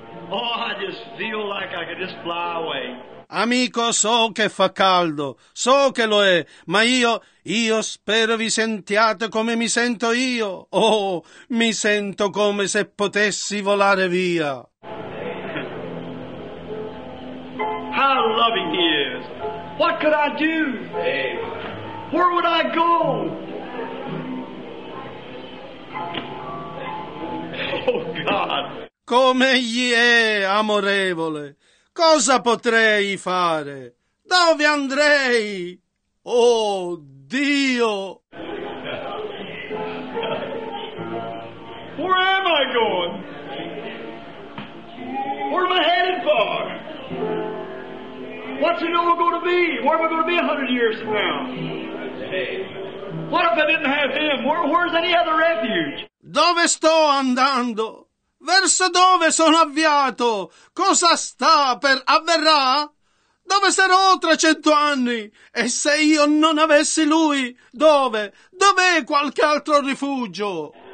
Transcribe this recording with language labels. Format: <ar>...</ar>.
<en>Oh, I just feel like I could just fly away.</en> <it>Amico, so che fa caldo, so che lo è, ma io spero vi sentiate come mi sento io. Oh, mi sento come se potessi volare via.</it> <en>How loving he is! What could I do? Where would I go? Oh, God!</en> <it>Come egli è amorevole, cosa potrei fare? Dove andrei? Oh Dio!</it> <en>Where am I going? Where am I headed for? What's it all going to be? Where am I going to be 100 years from now? What if I didn't have him? Where's any other refuge?</en> <it>Dove sto andando? Verso dove sono avviato? Cosa sta per avverrà? Dove sarò 300 anni? E se io non avessi lui, dove? Dov'è qualche altro rifugio?</it>